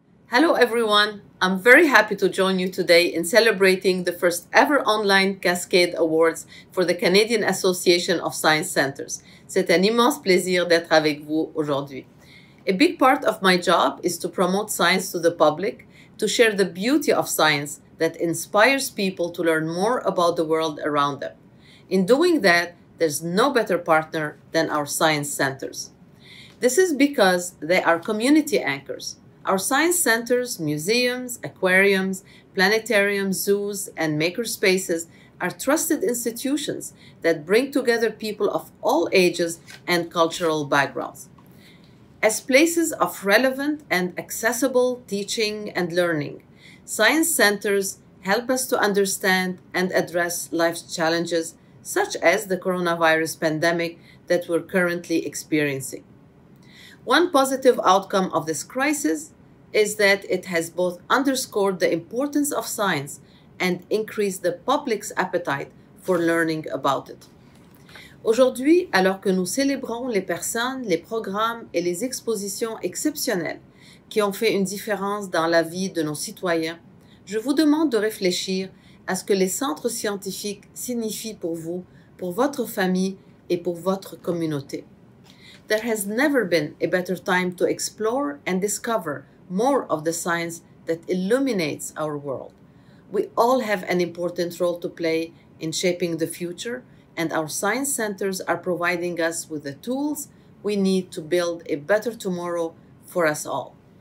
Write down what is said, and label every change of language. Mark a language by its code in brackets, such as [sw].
[en] Hello everyone, I'm very happy to join you today in celebrating the first ever online CASCADE Awards for the Canadian Association of Science Centers. [fr] C'est un immense plaisir d'être avec vous aujourd'hui. [en] A big part of my job is to promote science to the public, to share the beauty of science that inspires people to learn more about the world around them. In doing that, there's no better partner than our science centers. This is because they are community anchors. Our science centers, museums, aquariums, planetariums, zoos, and makerspaces are trusted institutions that bring together people of all ages and cultural backgrounds. As places of relevant and accessible teaching and learning, science centers help us to understand and address life's challenges, such as the coronavirus pandemic that we're currently experiencing. One positive outcome of this crisis is that it has both underscored the importance of science and increased the public's appetite for learning about it. [fr] Aujourd'hui, alors que nous célébrons les personnes, les programmes et les expositions exceptionnelles qui ont fait une différence dans la vie de nos citoyens, je vous demande de réfléchir à ce que les centres scientifiques signifient pour vous, pour votre famille et pour votre communauté. [en] There has never been a better time to explore and discover more of the science that illuminates our world. We all have an important role to play in shaping the future, and our science centers are providing us with the tools we need to build a better tomorrow for us all.